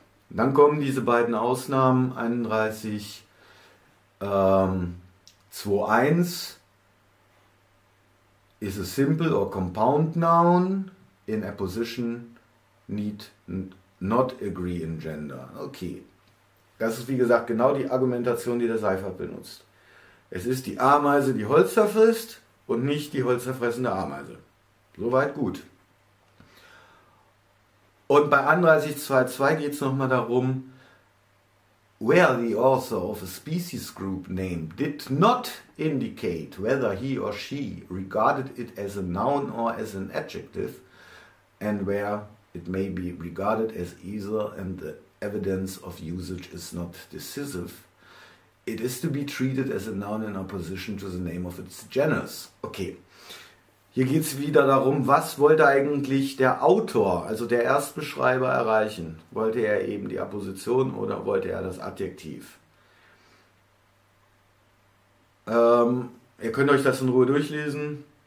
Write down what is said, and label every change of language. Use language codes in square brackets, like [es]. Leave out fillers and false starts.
[de] Und dann kommen diese beiden Ausnahmen, [en] 31.2.1, is a simple or compound noun in apposition need not agree in gender. [de] Okay, das ist wie gesagt genau die Argumentation, die der Seifert benutzt. Es ist die Ameise, die Holz zerfrisst und nicht die holzzerfressende Ameise. Soweit gut. Und bei 31.2.2 geht es nochmal darum, [en] where the author of a species group name did not indicate whether he or she regarded it as a noun or as an adjective, and where it may be regarded as either and the evidence of usage is not decisive, it is to be treated as a noun in opposition to the name of its genus. [de] Okay, hier geht es wieder darum, was wollte eigentlich der Autor, also der Erstbeschreiber, erreichen? Wollte er eben die Apposition oder wollte er das Adjektiv? Ihr könnt euch das in Ruhe durchlesen.